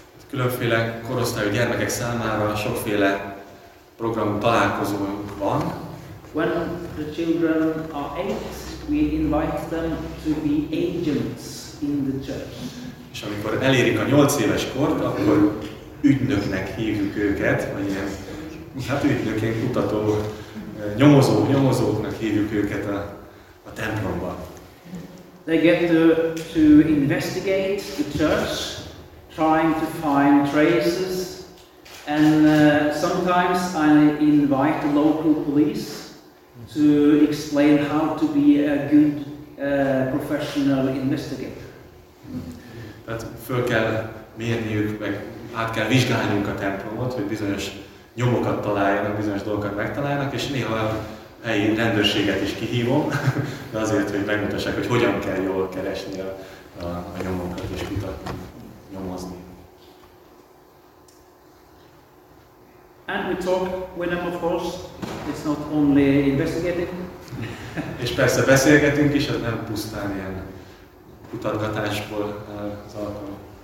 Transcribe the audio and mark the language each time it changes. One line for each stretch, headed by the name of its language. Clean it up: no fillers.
Hungarian: Különféle korosztályú gyermekek számára sokféle program találkozunk van.
English: When the children are 8, we invite them to be agents in the church.
Hungarian: És amikor elérik a 8 éves kort, akkor ügynöknek hívjuk őket, vagy ilyen, hát ügynökként kutató, nyomozóknak hívjuk őket a templomba.
English: They get to investigate the church, trying to find traces, and sometimes I invite the local police to explain how to be a good professional investigator.
Hungarian: Tehát föl kell mérniük, meg át kell vizsgálnunk a templomot, hogy bizonyos nyomokat találjanak, bizonyos dolgokat megtaláljanak, és néha a helyi rendőrséget is kihívom, de azért, hogy megmutassák, hogy hogyan kell jól keresni a nyomokat és kutatni, nyomozni.
English: And we talk with them, of course, it's not only investigating.
Hungarian: És persze beszélgetünk is, hát nem pusztán ilyen kutatgatásból az alkalom.